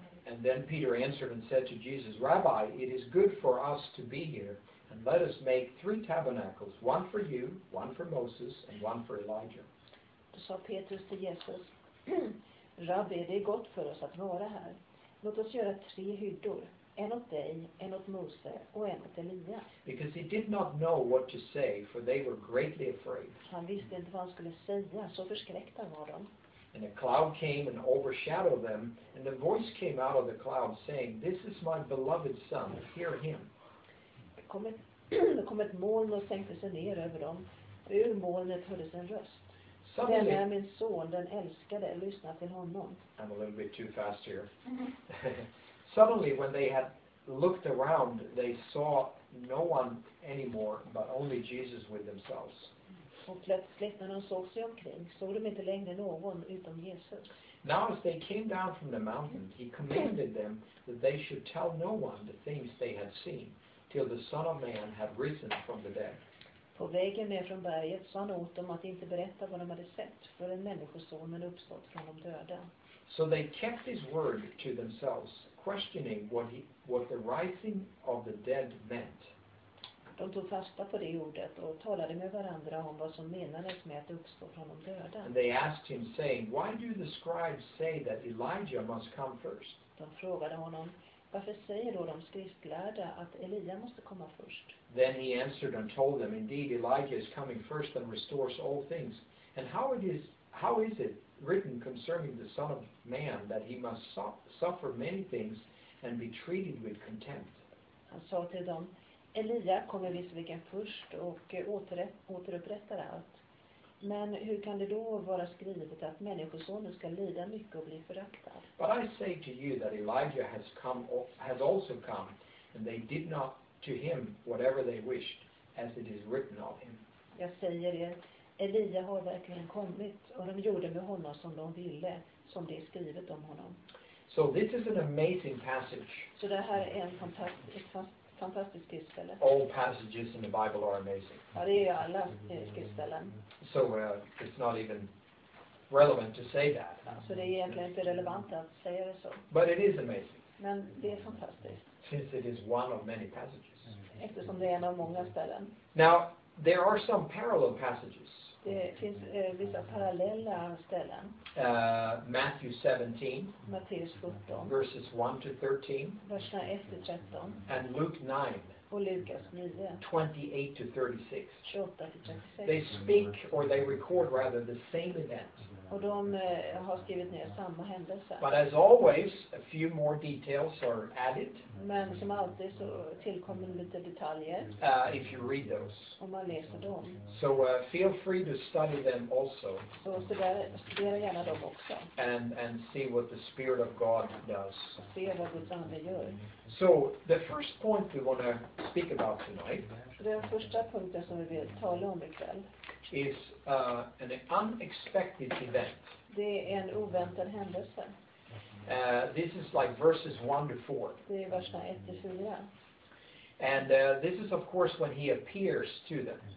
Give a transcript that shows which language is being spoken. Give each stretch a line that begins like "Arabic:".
English: And then Peter answered and said to Jesus, Rabbi, it is good for us to be here, and let us make 3 tabernacles, one for you, one for Moses, and one for Elijah.
Swedish: Då sa Petrus till Jesus, Rabbi, det är gott för oss att vara här. Låt oss göra 3 hyddor, en åt dig, en åt Mose och en åt Elia.
English: Because he did not know what to say, for they were greatly afraid.
Swedish: Han visste inte vad han skulle säga, så förskräckta var de.
English: And a cloud came and overshadowed them, and the voice came out of the cloud saying, "This is my beloved son, hear him."
Swedish: Det kom ett moln och sänkte sig ner över dem. Ur molnet hördes en röst.
English: Suddenly,
Swedish: den är min son, den älskade, lyssna till honom.
English: I'm a little bit too fast here. Suddenly, when they had looked around, they saw no one anymore, but only Jesus with themselves.
Swedish: Och plötsligt när de såg sig omkring såg de inte längre någon utom Jesus.
English: Now as they came down from the mountain, he commanded them that they should tell no one the things they had seen till the Son of Man had risen from the dead.
Swedish: På vägen ner från berget sa han åt dem att inte berätta vad de hade sett förrän människosonen uppstått från de döda.
English: So they kept his word to themselves, questioning what the rising of the dead meant.
Swedish: De tog fasta på det ordet och talade med varandra om vad som menades med att uppstå från de döda.
English: And they asked him, saying, "Why do the scribes say that Elijah must come first?"
Swedish: De frågade honom, varför säger då de skriftlärda att Elia måste komma först?
English: Then he answered and told them, "Indeed, Elijah is coming first and restores all things. And how is it written concerning the Son of Man that he must suffer many things and be treated with contempt?"
Swedish: Han sa till dem, Elia kommer visserligen först och återupprättar allt. Men hur kan det då vara skrivet att människosonen ska lida mycket och bli föraktad?
English: But I say to you that Elijah has also come, and they did not to him whatever they wished, as it is written of him.
Swedish: Jag säger er, Elia har verkligen kommit, och de gjorde med honom som de ville, som det är skrivet om honom.
English: So this is an amazing passage.
Swedish: Så det här är en fantastisk skriftställe.
English: All passages in the Bible are amazing.
Swedish: Ja, det är ju alla skriftställen.
English: So it's not even relevant to say that.
Swedish: Så det är egentligen inte relevant att säga det så.
English: But it is amazing.
Swedish: Men det är fantastiskt.
English: Since it is one of many passages.
Swedish: Eftersom det är en av många ställen.
English: Now, there are some parallel passages.
Swedish: Det finns vissa parallella ställen.
English: Matthew 17.
Swedish: Matteus 17.
English: Verses 1-13.
Swedish: Verserna 1-13.
English: And Luke 9.
Swedish: Och Lukas 9.
English: 28-36.
Swedish: 28-36.
English: They speak, or they record rather, the same event.
Swedish: Och de har skrivit ner samma händelse.
English: But as always, a few more details are added.
Swedish: Men som alltid så tillkommer lite detaljer.
English: If you read those.
Swedish: Om man läser dem.
English: So feel free to study them also.
Swedish: Så studera gärna dem också.
English: And see what the Spirit of God does.
Swedish: Och se vad Guds ande gör.
English: So the first point we want to speak about tonight.
Swedish: Den första punkten som vi vill tala om ikväll.
English: Is an unexpected event.
Swedish: Det är en oväntad händelse.
English: This is like verses 1-4.
Swedish: Det är verserna 1-4.
English: And this is of course when he appears to them.